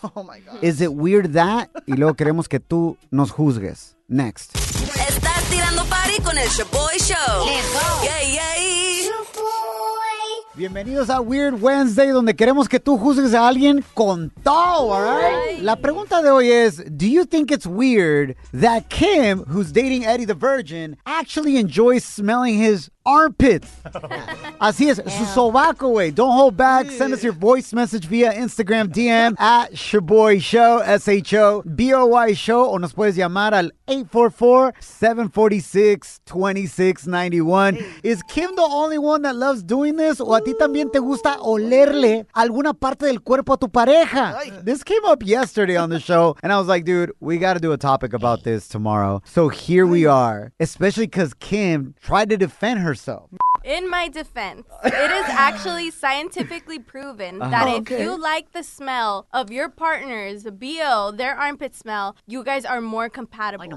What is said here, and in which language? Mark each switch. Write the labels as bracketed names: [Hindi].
[English] Oh, my gosh. Is it weird that? [Spanish] Y luego queremos que tú nos juzgues. Next. Estás tirando party con el Shaboy Show. [English] Let's go. Yay, yay. [Spanish] Bienvenidos a Weird Wednesday, donde queremos que tú juzgues a alguien con todo, [English] all right? Right. [Spanish] La pregunta de hoy es, [English] do you think it's weird that Kim, who's dating Eddie the Virgin, actually enjoys smelling his armpits? [Spanish] Así es, su sobaco, güey. [English] Don't hold back. Send us your voice message via Instagram DM at Shaboy Show, S-H-O-B-O-Y Show, [Spanish] o nos puedes llamar al [English] 844-746-2691. Is Kim the only one that loves doing this? [Spanish] ¿O a ti también te gusta olerle alguna parte del cuerpo a tu pareja? [English] This came up yesterday on the show, and I was like, dude, we gotta do a topic about this tomorrow. So here we are, especially because Kim tried to defend herself. In my defense, it is actually scientifically proven that if you like the smell of your partner's BO, their armpit smell, you guys are more compatible.